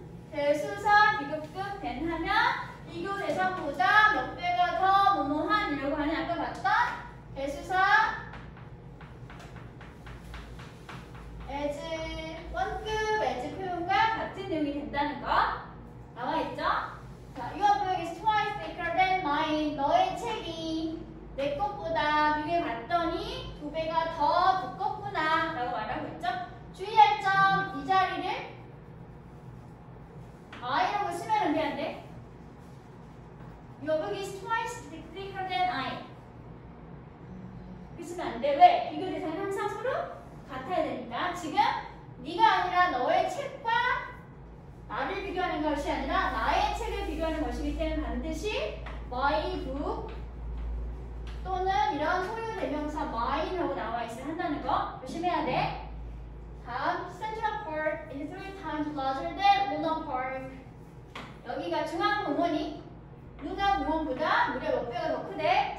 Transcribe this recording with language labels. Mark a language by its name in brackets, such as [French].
[Korean] 대수사 비교급 된 하면 비교 대상보다 몇 배가 더 무모한 이라고 하는 아까 봤던 대수사 as 원급 as 표현과 같은 내용이 된다는 거 나와있죠. [English] 자, your book is twice thicker than mine. [Korean] 너의 책이 내 것보다 비교해 봤더니 두 배가 더 두껍구나 라고 말하고 있죠. 주의할 점, 이 자리를 I라고 쓰면 안 되는데 [English] Your book is twice thicker than I [Korean] 쓰면 안 돼. 왜? 비교 대상이 항상 서로 같아야 되니까. 지금 네가 아니라 너의 책과 나를 비교하는 것이 아니라 나의 책을 비교하는 것이기 때문에 반드시 [English] my book [Korean] 또는 이런 소유 대명사 mine라고 나와있어야 한다는 거 조심해야 돼. [English] 다음 Central Park is three times larger than Luna Park. [Korean] 여기가 중앙공원이 Luna 공원보다 무려 몇 배가 더 크대?